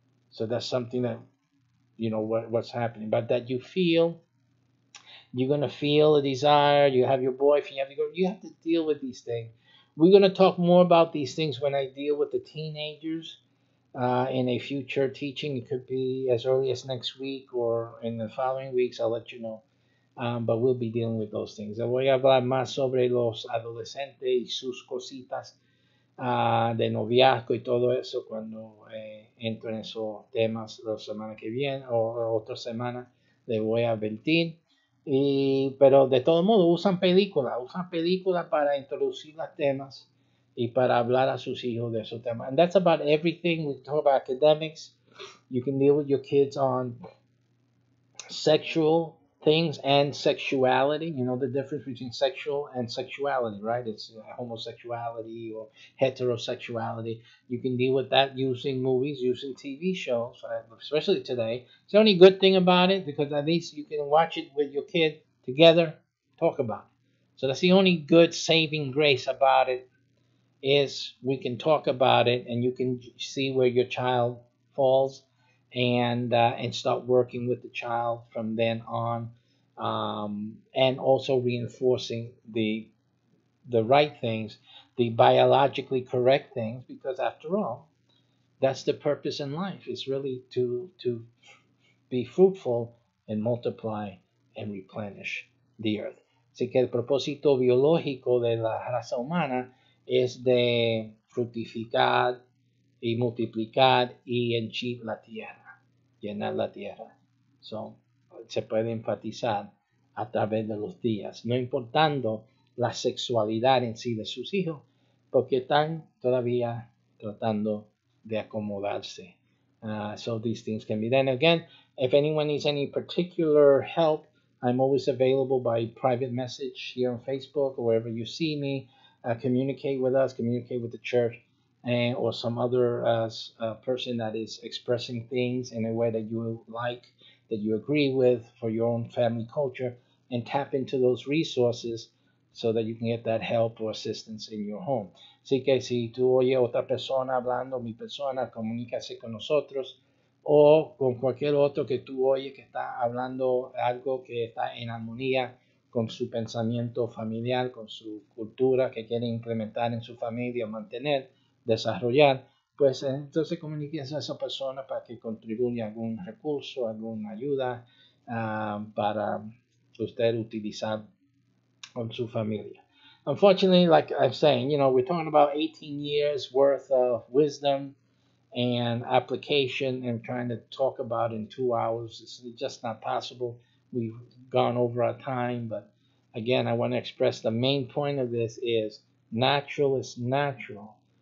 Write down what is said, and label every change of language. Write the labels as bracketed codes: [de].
[en] So that's something that, you know, what's happening. But that you feel, you're going to feel a desire, you have your boyfriend, you have to deal with these things. We're going to talk more about these things when I deal with the teenagers in a future teaching. It could be as early as next week or in the following weeks. I'll let you know. But we'll be dealing with those things. [es] Voy a hablar más sobre los adolescentes y sus cositas de noviazgo y todo eso cuando entro en esos temas la semana que viene o otra semana. Le voy a advertir. Pero de todo modo, usan películas para introducir los temas y para hablar a sus hijos de esos temas. [en] And that's about everything. We talk about academics. You can deal with your kids on sexual things and sexuality. You know the difference between sexual and sexuality, right? It's homosexuality or heterosexuality. You can deal with that using movies, using TV shows, especially today. It's the only good thing about it, because at least you can watch it with your kid together, talk about it. So that's the only good saving grace about it, is we can talk about it and you can see where your child falls and start working with the child from then on, and also reinforcing the right things, the biologically correct things, because after all, that's the purpose in life. It's really to be fruitful and multiply and replenish the earth. [es] Así que el propósito biológico de la raza humana es de fructificar y multiplicar y henchir la tierra. Llenar la tierra. So, se puede enfatizar a través de los días, no importando la sexualidad en sí de sus hijos, porque están todavía tratando de acomodarse. [en] So these things can be done. Again, if anyone needs any particular help, I'm always available by private message here on Facebook or wherever you see me. Communicate with us, communicate with the church. Or some other person that is expressing things in a way that you like, that you agree with for your own family culture, and tap into those resources so that you can get that help or assistance in your home. [es] Así que si tú oyes otra persona hablando, mi persona, comunícase con nosotros o con cualquier otro que tú oyes que está hablando algo que está en armonía con su pensamiento familiar, con su cultura que quiere implementar en su familia o mantener. Desarrollar, pues entonces comuníquese a esa persona para que contribuya algún recurso, alguna ayuda para usted utilizar con su familia. [en] Unfortunately, like I'm saying, you know, we're talking about 18 years worth of wisdom and application and trying to talk about in 2 hours. It's just not possible. We've gone over our time, but again, I want to express the main point of this is natural is natural.